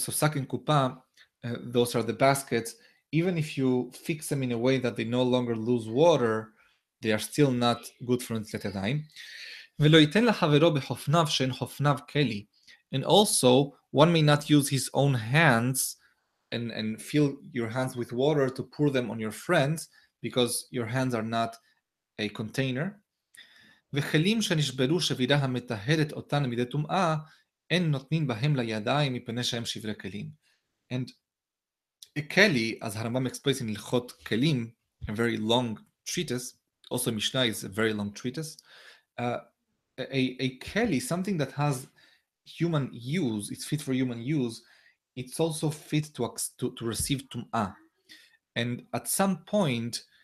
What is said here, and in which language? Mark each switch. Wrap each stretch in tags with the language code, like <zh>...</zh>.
<en>So sak and kupa, those are the baskets. Even if you fix them in a way that they no longer lose water, they are still not good for Netilat Yadayim.</en> <he>Velo yiten lachavero b'chofnav shein chofnav keli.</he> <en>And also, one may not use his own hands and fill your hands with water to pour them on your friends, because your hands are not a container.</en> <he>וכלים שנשברו שבירה המתהרת אותן מידי טומאה, אין נותנים בהם לידיים מפני שהם שברי כלים.</he> <en>And a keli, as Harambam explains in Hilchot Kelim, a very long treatise, also Mishnah is a very long treatise, a keli, something that has human use, it's fit for human use, it's also fit to receive tum'ah. And at some point,</en>